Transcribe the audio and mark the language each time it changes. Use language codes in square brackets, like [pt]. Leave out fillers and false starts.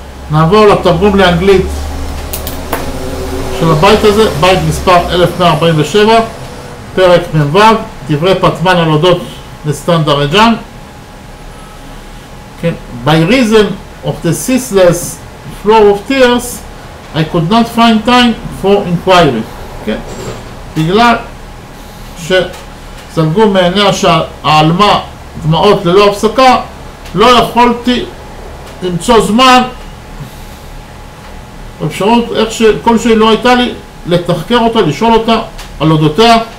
[he] נעבור לתרגום לאנגלית של הבית הזה, בית מספר 1147, פרק מ"ו, דברי פטמן על אודות לסטנדר אג'אן. כן. [en] By reason of the ceaseless flow of tears, I could not find time for inquiry. [he] כן. בגלל ש... זלגו מעיניה שהעלמה דמעות ללא הפסקה, לא יכולתי למצוא זמן, אפשרות איך שכלשהי לא הייתה לי לתחקר אותה, לשאול אותה על אודותיה.